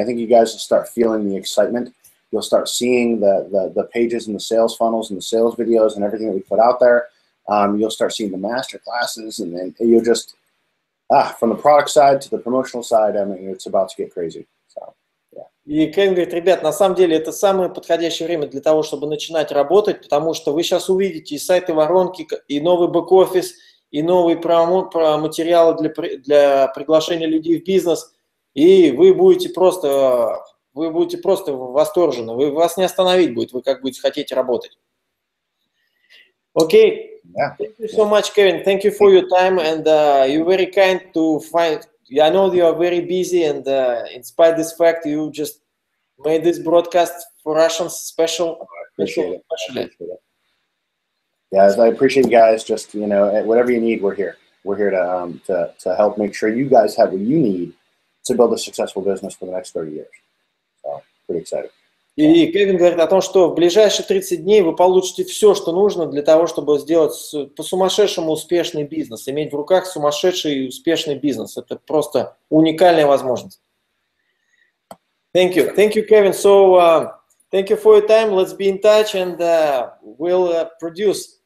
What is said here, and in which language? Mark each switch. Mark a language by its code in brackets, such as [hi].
[en] I think you guys will start feeling the excitement. You'll start seeing the pages and the sales funnels and the sales videos and everything that we put out there. You'll start seeing the master classes, and then you'll just. From the product side to the promotional side, I mean, it's about to get crazy. So, yeah. [ru] И Кевин говорит, ребят, на самом деле это самое подходящее время для того, чтобы начинать работать, потому что вы сейчас увидите и сайты воронки, и новый бэк-офис, и новые материалы для приглашения людей в бизнес, и вы будете просто восторжены, вас не остановить будет, вы как будете хотеть работать. [en] Okay. Yeah. Thank you so much, Kevin. Thank you for your time, and you're very kind to find. I know you are very busy, and in spite of this fact, you just made this broadcast for Russians special. I appreciate it. Yeah, I appreciate you guys. Just, you know, whatever you need, we're here. We're here to help make sure you guys have what you need to build a successful business for the next 30 years. So, pretty excited. [ru] И Кевин говорит о том, что в ближайшие 30 дней вы получите все, что нужно для того, чтобы сделать по-сумасшедшему успешный бизнес, иметь в руках сумасшедший и успешный бизнес. Это просто уникальная возможность. [en] Thank you. Thank you, Kevin. So, thank you for your time. Let's be in touch and we'll produce.